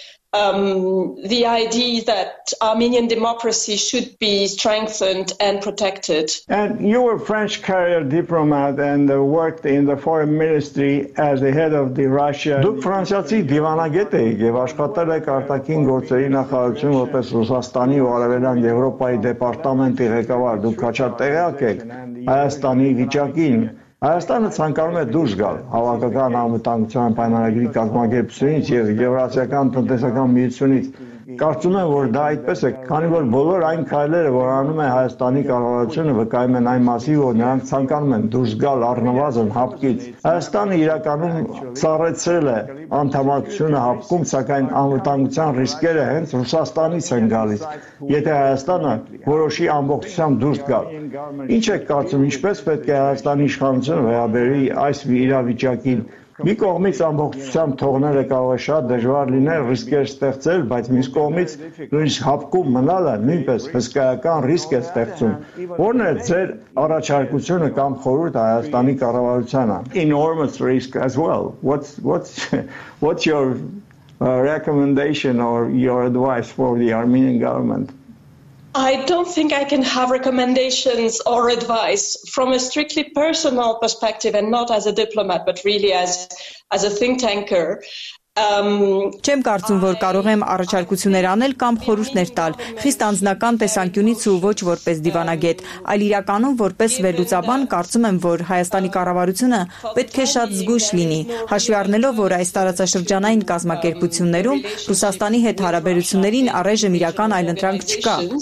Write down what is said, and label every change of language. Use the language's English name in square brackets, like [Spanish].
[English] The idea that Armenian democracy should be strengthened and protected. And you were a French career diplomat and worked in the foreign ministry as the head of the Russia. [Armenian] Դու ֆրանսիացի դիվանագետ եք եւ աշխատել եք արտաքին գործերի նախարարություն որպես Ռուսաստանի ու Արևելյան Եվրոպայի դեպարտամենտի ղեկավար, դու քաչար տեղյակ եք Հայաստանի վիճակին։ Հայաստանը ցանկանում է դուրս գալ հավաքական անվտանգության պայմանագրի կազմակերպությունից եւ եվրասիական տնտեսական միությունից։ Կարծում եմ, որ դա այդպես է, քանի որ բոլոր այն քայլերը, որ անում է Հայաստանի կառավարությունը, վկայում են այն մասի, որ նրանք ցանկանում են դուրս գալ առնվազն հապկից։ Հայաստանը իրականում ծառեցրել է անդամակցությունը հապկում, սակայն անվտանգության ռիսկերը հենց Ռուսաստանից են գալիս, եթե Հայաստանը որոշի ամբողջությամբ դուրս գալ։ Ինչ եք կարծում, ինչպես պետք է Հայաստանի իշխանությունը վերաբերվի այս իրավիճակին։ Մի կողմից ամբողջությամբ թողնելը կարող է շատ դժվար լինել, ռիսկեր ստեղծել, բայց մյուս կողմից նույն հապկում մնալը նույնպես հսկայական ռիսկ է ստեղծում։ Որն է ձեր առաջարկությունը կամ խորհուրդը Հայաստանի կառավարությանը? [English] Enormous risk as well. What's your recommendation or your advice for the Armenian government? I don't think I can have recommendations or advice from a strictly personal perspective and not as a diplomat, but really as a think tanker. [Armenian] Չեմ կարծում, որ կարող եմ առաջարկություններ անել կամ խորհուրդներ տալ, խիստ անձնական տեսանկյունից ու ոչ որպես դիվանագետ, այլ իրականում որպես վերլուծաբան կարծում եմ, որ Հայաստանի կառավարությունը պետք է շատ զգույշ լինի, հաշվի առնելով, որ այս տարածաշրջանային կազմակերպություններում Ռուսաստանի հետ հարաբերություններին առայժմ իրական այլընտրանք չկա։